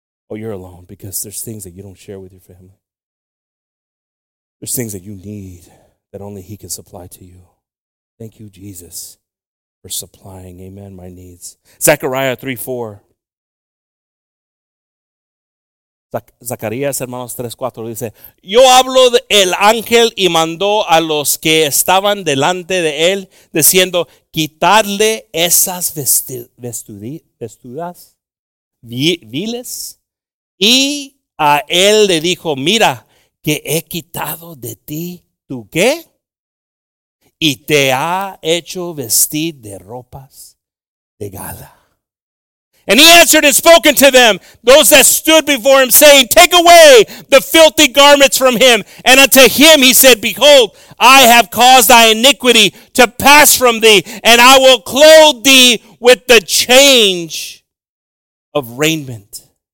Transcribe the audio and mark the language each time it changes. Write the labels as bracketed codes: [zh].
[en] Oh, you're alone because there's things that you don't share with your family. There's things that you need that only he can supply to you. Thank you, Jesus, for supplying, amen, my needs. Zechariah 3:4. [es] Zacarías, hermanos, 3:4 dice, yo hablo del ángel y mandó a los que estaban delante de él, diciendo, quitarle esas vestiduras viles. Y a él le dijo, mira, que he quitado de ti tu qué, y te ha hecho vestir de ropas de gala. [en] And he answered and spoke to them, those that stood before him, saying, take away the filthy garments from him. And unto him he said, behold, I have caused thy iniquity to pass from thee, and I will clothe thee with the change of raiment.